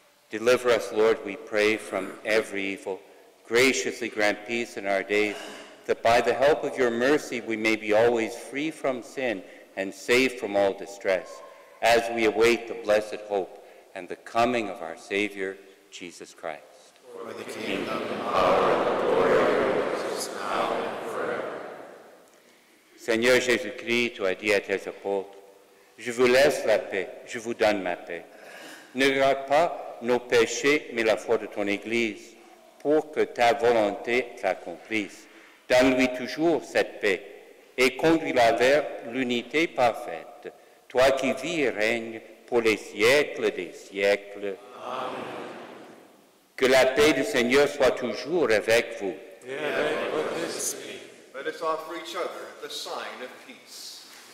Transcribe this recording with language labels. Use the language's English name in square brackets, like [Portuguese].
[English] Deliver us, Lord, we pray, from every evil. Graciously grant peace in our days, that by the help of your mercy we may be always free from sin and safe from all distress, as we await the blessed hope and the coming of our Savior, Jesus Christ. For the kingdom, the power, and the glory are yours, now and forever. [French] Seigneur Jésus-Christ, tu as dit à tes apôtres, je vous laisse la paix, je vous donne ma paix. Ne regarde pas nos péchés, mais la foi de ton Église, pour que ta volonté s'accomplisse. Donne-lui toujours cette paix et conduis-la vers l'unité parfaite, toi qui vis et règnes pour les siècles des siècles. Amen. Que la paix du Seigneur soit toujours avec vous. [English] Let us offer each other the sign of peace.